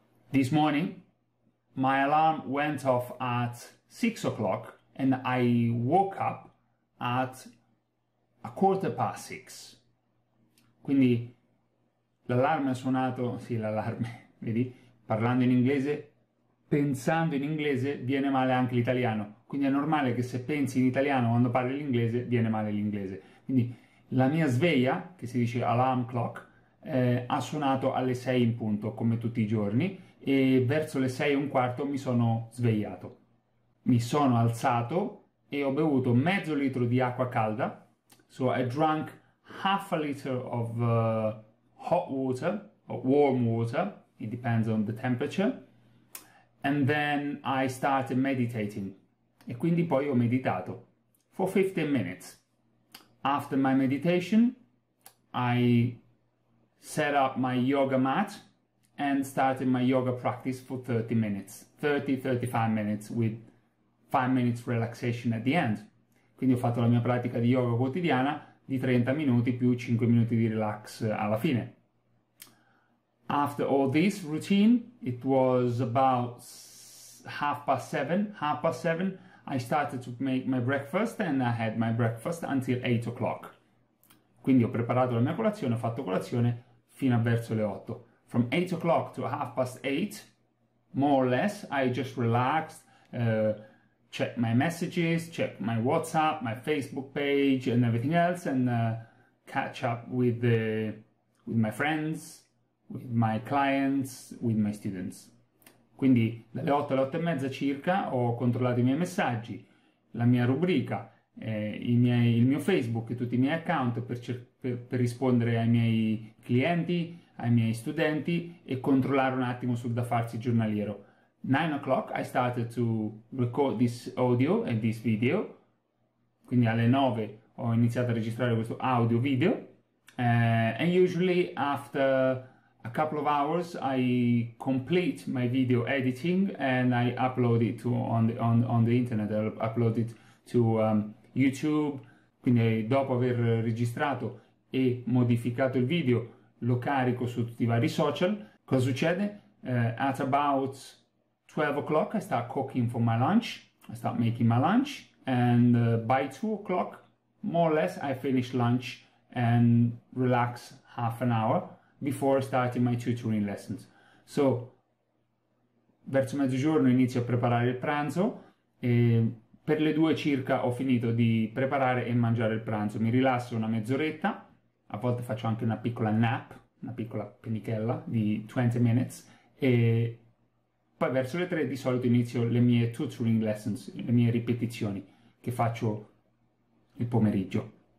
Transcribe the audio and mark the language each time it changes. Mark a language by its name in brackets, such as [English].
[English] This morning, my alarm went off at 6 o'clock and I woke up at a quarter past 6. [Italian] Quindi l'allarme ha suonato, sì, l'allarme, vedi? Parlando in inglese, pensando in inglese, viene male anche l'italiano. Quindi è normale che se pensi in italiano quando parli l'inglese, viene male l'inglese. Quindi la mia sveglia, che si dice alarm clock, ha suonato alle 6 in punto, come tutti i giorni, e verso le 6 e un quarto mi sono svegliato. Mi sono alzato e ho bevuto mezzo litro di acqua calda. [English] So I drank half a liter of hot water, or warm water, it depends on the temperature, and then I started meditating. [Italian] E quindi poi ho meditato. [English] For 15 minutes. After my meditation, I set up my yoga mat and started my yoga practice for 30 minutes. 30-35 minutes with 5 minutes relaxation at the end. [Italian] Quindi ho fatto la mia pratica di yoga quotidiana di 30 minuti più 5 minuti di relax alla fine. [English] After all this routine, it was about half past seven. Half past seven, I started to make my breakfast and I had my breakfast until 8 o'clock. [Italian] Quindi ho preparato la mia colazione, ho fatto colazione fino a verso le 8. [English] From 8 o'clock to half past 8, more or less, I just relaxed, checked my messages, checked my WhatsApp, my Facebook page and everything else, and catch up with with my friends, with my clients, with my students. [Italian] Quindi dalle 8 alle 8 e mezza circa ho controllato i miei messaggi, la mia rubrica, il mio Facebook e tutti i miei account per rispondere ai miei clienti, ai miei studenti e controllare un attimo sul da farsi giornaliero. [English] 9 o'clock I started to record this audio and this video. [Italian] Quindi alle 9 ho iniziato a registrare questo audio video. [English] And usually after a couple of hours I complete my video editing and I upload it to on the internet. I upload it to YouTube. [Italian] Quindi dopo aver registrato e modificato il video, lo carico su tutti i vari social. Cosa succede? [English] At about 12 o'clock I start cooking for my lunch. I start making my lunch. And by 2 o'clock, more or less, I finish lunch and relax half an hour before starting my tutoring lessons. [Italian] So, verso mezzogiorno inizio a preparare il pranzo e per le 2 circa ho finito di preparare e mangiare il pranzo. Mi rilasso una mezz'oretta. A volte faccio anche una piccola nap, una piccola pennichella di 20 minutes e poi verso le 3 di solito inizio le mie [English] tutoring lessons, [Italian] le mie ripetizioni che faccio il pomeriggio.